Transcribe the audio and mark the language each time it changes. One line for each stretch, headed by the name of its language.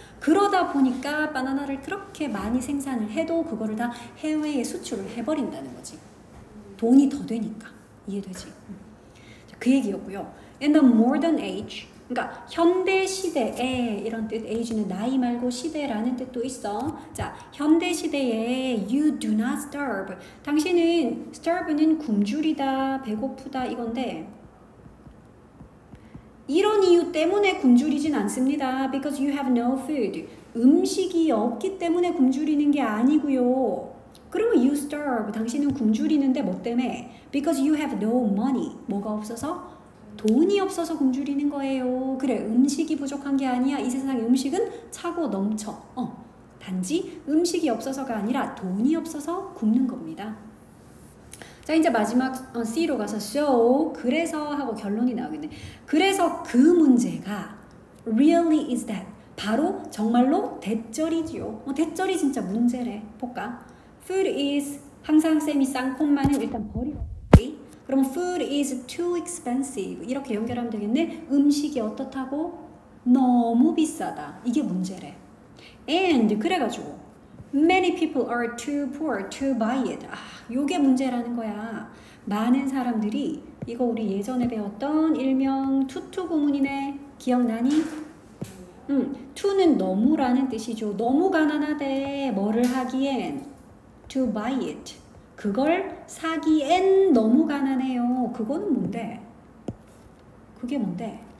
Korean: 그러다 보니까 바나나를 그렇게 많이 생산을 해도 그거를 다 해외에 수출을 해버린다는 거지. 돈이 더 되니까. 이해되지? 그 얘기였고요.
English: In the modern age,
Korean: 그러니까 현대시대에 이런 뜻, age는 나이 말고 시대라는 뜻도 있어. 자, 현대시대에
English: you do not starve.
Korean: 당신은 starve는 굶주리다, 배고프다 이건데 이런 이유 때문에 굶주리진 않습니다.
English: Because you have no food.
Korean: 음식이 없기 때문에 굶주리는 게 아니고요. 그러면
English: you starve.
Korean: 당신은 굶주리는데 뭐 때문에?
English: Because you have no money.
Korean: 뭐가 없어서? 돈이 없어서 굶주리는 거예요. 그래, 음식이 부족한 게 아니야. 이 세상에 음식은 차고 넘쳐. 단지 음식이 없어서가 아니라 돈이 없어서 굶는 겁니다. 자, 이제 마지막 C로 가서 so, 그래서 하고 결론이 나오겠네. 그래서 그 문제가
English: really is that.
Korean: 바로 정말로 대절이지요. 대절이 진짜 문제래. 볼까? Food is, 항상 쌤이 쌍콤만은 일단 버리고 그럼
English: food is too expensive.
Korean: 이렇게 연결하면 되겠네. 음식이 어떻다고? 너무 비싸다. 이게 문제래.
English: And
Korean: 그래가지고
English: many people are too poor to buy it.
Korean: 아, 요게 문제라는 거야. 많은 사람들이 이거 우리 예전에 배웠던 일명 투투 구문이네. 기억나니? 투는 너무라는 뜻이죠. 너무 가난하대. 뭐를 하기엔?
English: To buy it.
Korean: 그걸 사기엔 너무 가난해요. 그거는 뭔데? 그게 뭔데?